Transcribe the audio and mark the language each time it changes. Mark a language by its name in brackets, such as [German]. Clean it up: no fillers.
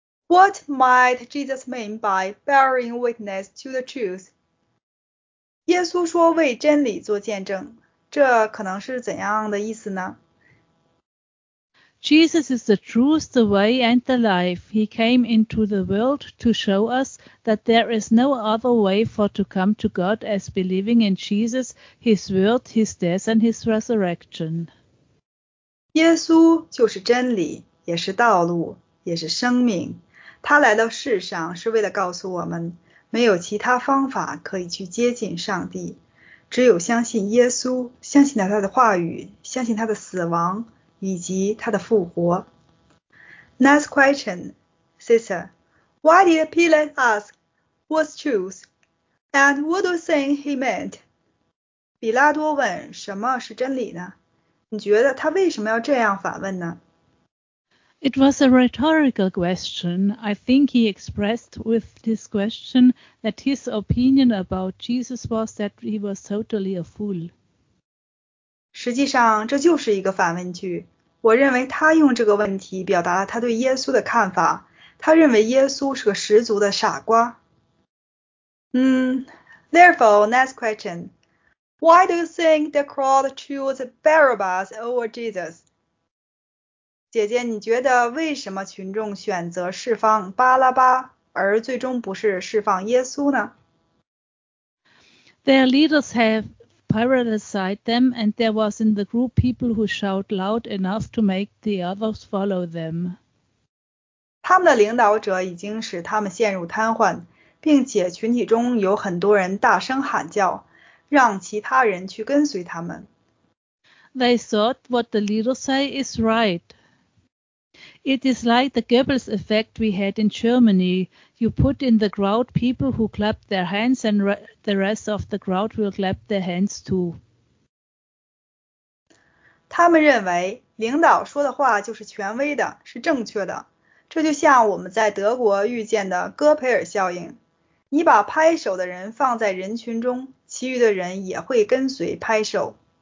[English] What might Jesus mean by bearing witness to the truth? [Chinese] 耶稣说为真理做见证，这可能是怎样的意思呢？ [English] Jesus is the truth, the way, and the life. He came into the world to show us that there is no other way for to come to God as believing in Jesus, His word, His death, and His resurrection. [Chinese] 耶稣就是真理，也是道路，也是生命。他来到世上是为了告诉我们，没有其他方法可以去接近上帝，只有相信耶稣，相信他的话语，相信他的死亡。以及他的复活。 [English] Next question, sister. Why did Pilate ask what's truth? And what do you think he meant? [Chinese] 比拉多问什么是真理呢？你觉得他为什么要这样反问呢？ [English] It was a rhetorical question. I think he expressed with this question that his opinion about Jesus was that he was totally a fool. [Chinese] 实际上这就是一个反问句。我认为他用这个问题表达了他对耶稣的看法，他认为耶稣是个十足的傻瓜。 [English] Therefore, next question. Why do you think the crowd chose Barabbas over Jesus? [Chinese] 姐姐，你觉得为什么群众选择释放巴拉巴，而最终不是释放耶稣呢？ [English] Their leaders have... Pilate sighted them, and there was in the group people who shout loud enough to make the others follow them. [Chinese] 他们的领导者已经使他们陷入瘫痪，并且群体中有很多人大声喊叫，让其他人去跟随他们。 [English] They thought what the leader say is right. It is like the Goebbels effect we had in Germany. You put in the crowd people who clap their hands and the rest of the crowd will clap their hands too. [Chinese] 他们认为领导说的话就是权威的，是正确的。这就像我们在德国遇见的戈培尔效应。你把拍手的人放在人群中，其余的人也会跟随拍手。